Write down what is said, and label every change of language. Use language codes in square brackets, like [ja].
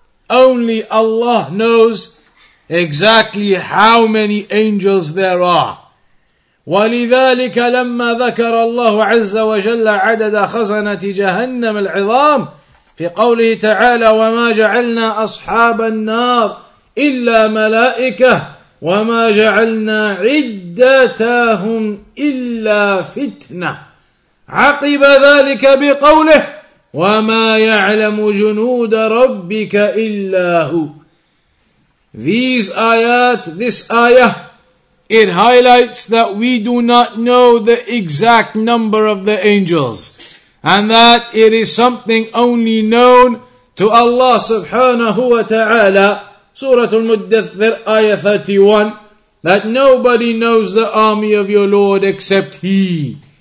[en] Only Allah knows exactly how many angels there are. [ar] ولذلك لما ذكر الله عز وجل عدد خزنة جهنم العظام في قوله تعالى وما جعلنا أصحاب النار إلا ملائكة وما جعلنا عدتهم إلا فتنة عقب ذلك بقوله وما يعلم جنود ربك إلا هو. [en] These ayat, this ayah It highlights that we do not know the exact number of the angels, and that it is something only known to Allah subhanahu wa ta'ala. Surah Al-Muddathir, ayah 31, that nobody knows the army of your Lord except He.